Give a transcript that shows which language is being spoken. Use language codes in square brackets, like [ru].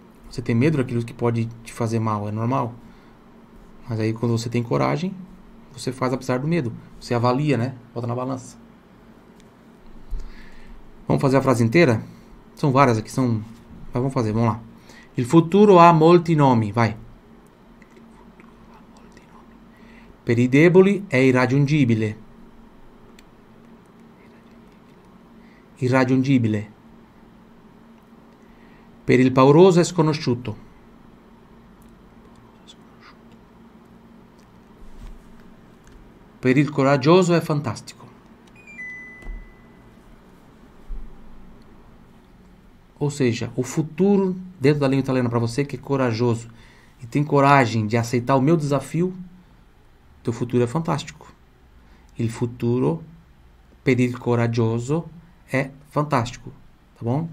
[pt] Você tem medo daquilo que pode te fazer mal, é normal. Mas aí quando você tem coragem, você faz apesar do medo. Você avalia, né? Bota na balança. Vamos fazer a frase inteira? São várias aqui, são. Mas vamos fazer, vamos lá. [it] Il futuro ha molti nomi, vai. Per i deboli è irraggiungibile. Irraggiungibile. Per il pauroso è sconosciuto. Per il coraggioso è fantastico. [pt] Ou seja, o futuro dentro da língua italiana para você que é corajoso e tem coragem de aceitar o meu desafio. O futuro é fantástico. [it] Il futuro per il coraggioso [pt] é fantástico, tá bom?